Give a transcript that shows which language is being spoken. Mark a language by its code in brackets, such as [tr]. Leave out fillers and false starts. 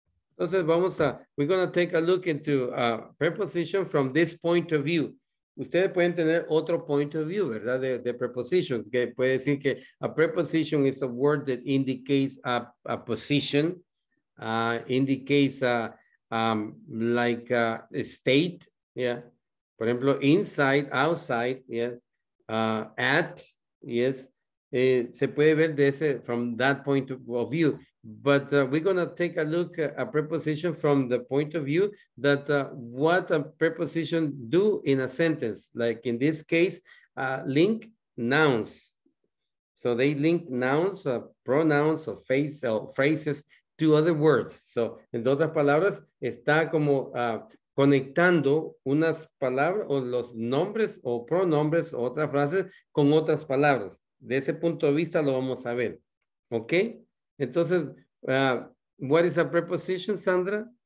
[es] Entonces vamos a, [en] we're going to take a look into a preposition from this point of view. [es] Ustedes pueden tener otro [en] point of view, [es] ¿verdad? De prepositions, que puede decir que [en] a preposition is a word that indicates a position, indicates a like a state, yeah. [es] Por ejemplo, inside, outside, yes. At, yes. Se puede ver de ese, [en] from that point of view. But we're going to take a look at a preposition from the point of view that what a preposition do in a sentence. Like in this case, link nouns. So they link nouns, pronouns, or phrases to other words. [es] So en otras palabras, está como conectando unas palabras o los nombres o pronombres o otras frases con otras palabras. De ese punto de vista lo vamos a ver. ¿Ok? Entonces, [en] what is a preposition, [es] Sandra?